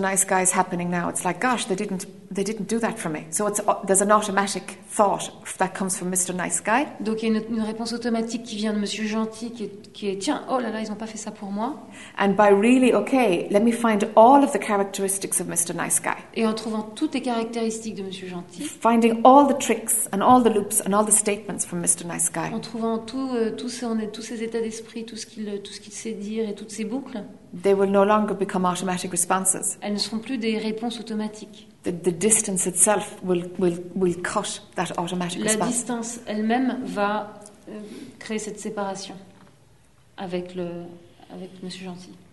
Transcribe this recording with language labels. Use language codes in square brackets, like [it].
[en] Nice Guy is happening now. It's like, gosh, they didn't do that for me. So there's an automatic thought that comes from Mr. Nice Guy. [fr] Donc il y a une réponse automatique qui vient de Monsieur Gentil qui est tiens, oh là là, ils n'ont pas fait ça pour moi. [en] And by really, okay, let me find all of the characteristics of Mr. Nice Guy. [fr] Et en trouvant toutes les caractéristiques de Monsieur Gentil. [en] Finding all the tricks and all the loops and all the statements from Mr. Nice Guy. [fr] En trouvant tous ses états d'esprit, tout ce qu'il sait dire et toutes ses boucles. [en] They will no longer become automatic responses. [fr] Elles ne seront plus des réponses automatiques. [en] The distance itself will cut that automatic [fr] La [en] response. [fr] La distance elle-même va créer cette séparation avec Monsieur Gentil.